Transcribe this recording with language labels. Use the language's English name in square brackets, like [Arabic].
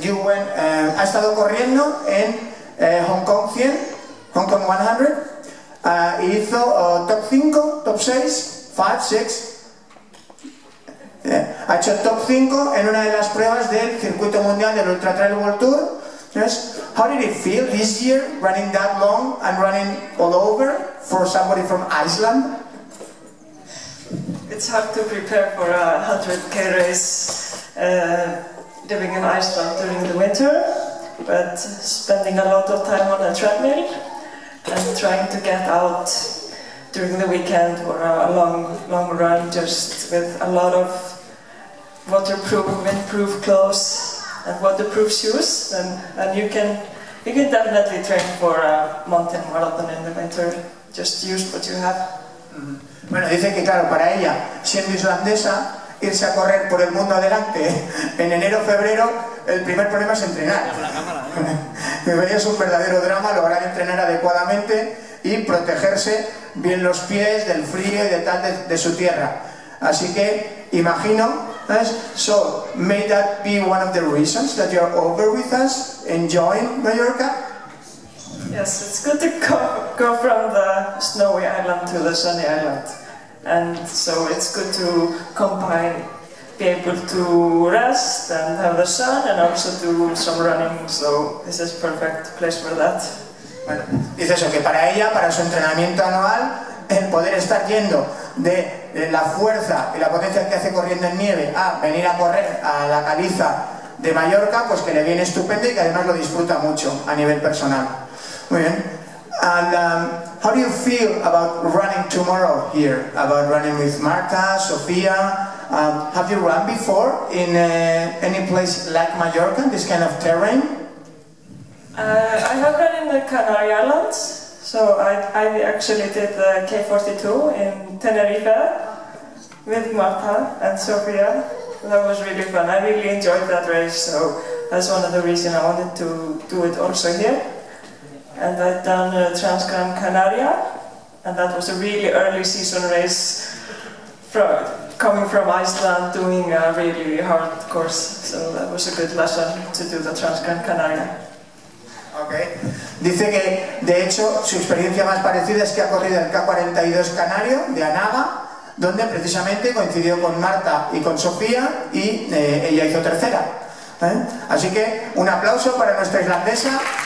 [English] You went, [Spanish] ha estado corriendo en Hong Kong 100, Hong Kong 100. Hizo top 5, top 6, 5, 6. Ha hecho top 5 en una de las pruebas del circuito mundial del Ultra Trail World Tour. [English] Yes. How did it feel this year running that long and running all over for somebody from Iceland? It's hard to prepare for a 100k race living in Iceland during the winter, but spending a lot of time on a treadmill and trying to get out during the weekend or a long run just with a lot of waterproof, windproof clothes and waterproof shoes, and you can definitely train for a mountain marathon in the winter. Just use what you have. Mm-hmm. [Spanish] Bueno, dice que claro, para ella, siendo islandesa, irse a correr por el mundo adelante en enero, febrero, el primer problema es entrenar. Es un verdadero drama lograr entrenar adecuadamente y protegerse bien los pies del frío y de tal de su tierra. Así que imagino. [English] So, may that be one of the reasons that you're over with us, enjoying Mallorca? Yes, it's good to go from the snowy island to the sunny island. And so it's good to combine, be able to rest and have the sun and also do some running. So this is perfect place for that. [Spanish] Bueno, dice eso, que para ella, para su entrenamiento anual, el poder estar yendo de la fuerza y la potencia que hace corriendo en nieve a venir a correr a la caliza de Mallorca, pues que le viene estupendo y que además lo disfruta mucho a nivel personal. Muy bien. [English] And how do you feel about running tomorrow here? About running with Marta, Sofía? Have you run before in any place like Mallorca, this kind of terrain? I have run in the Canary Islands. So I actually did the K42 in Tenerife with Marta and Sofia. That was really fun. I really enjoyed that race, so that's one of the reasons I wanted to do it also here. And I've done Transgran Canaria, and that was a really early season race coming from Iceland, doing a really hard course. So that was a good lesson to do the Transgran Canaria. Okay. [Spanish] Dice que, de hecho, su experiencia más parecida es que ha corrido el K42 Canario de Anaga, donde precisamente coincidió con Marta y con Sofía y ella hizo tercera. ¿Eh? Así que, un aplauso para nuestra islandesa.